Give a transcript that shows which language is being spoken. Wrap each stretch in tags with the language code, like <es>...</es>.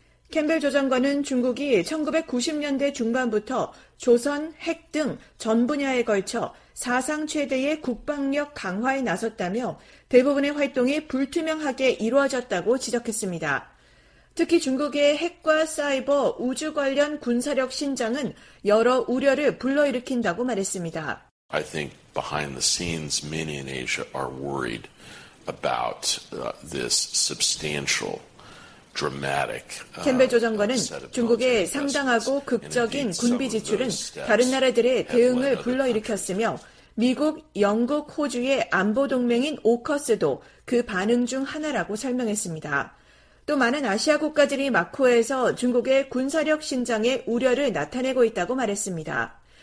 <ko>캠벨 조정관은 중국이 1990년대 중반부터 조선, 핵 등 전 분야에 걸쳐 사상 최대의 국방력 강화에 나섰다며 대부분의 활동이 불투명하게 이루어졌다고 지적했습니다. 특히 중국의 핵과 사이버, 우주 관련 군사력 신장은 여러 우려를 불러일으킨다고 말했습니다.</ko> <en>I think behind the scenes many in Asia are worried about this substantial dramatic.</en> <ko>캠벨 조정관은 중국의 상당하고 극적인 군비 지출은 다른 나라들의 대응을 불러일으켰으며 미국, 영국, 호주의 안보 동맹인 오커스도 그 반응 중 하나라고 설명했습니다. 또 많은 아시아 국가들이 마코에서 중국의 군사력 신장에 우려를 나타내고 있다고 말했습니다.</ko>